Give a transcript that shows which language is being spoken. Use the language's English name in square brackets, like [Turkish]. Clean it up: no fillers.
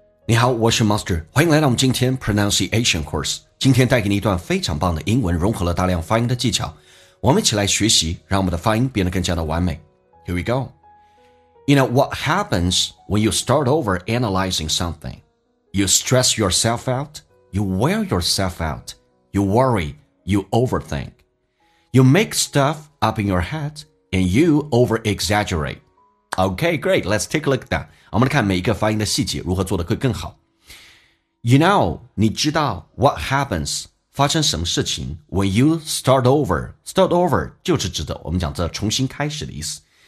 [Chinese] 你好，我是 Master， 欢迎来到我们今天 Pronunciation Course。今天带给你一段非常棒的英文，融合了大量发音的技巧，我们一起来学习，让我们的发音变得更加的完美。 [English] Here we go. You know what happens when you start over analyzing something? You stress yourself out, you wear yourself out, you worry, you overthink. You make stuff up in your head, and you over-exaggerate. Okay, great. Let's take a look at that. [Chinese] 我们来看每一个发音的细节如何做得会更好。 [English] You know, [Chinese] 你知道 [English] what happens, [Chinese] 发生什么事情 [English] when you start over. [Chinese] Start over 就是指的我们讲这重新开始的意思。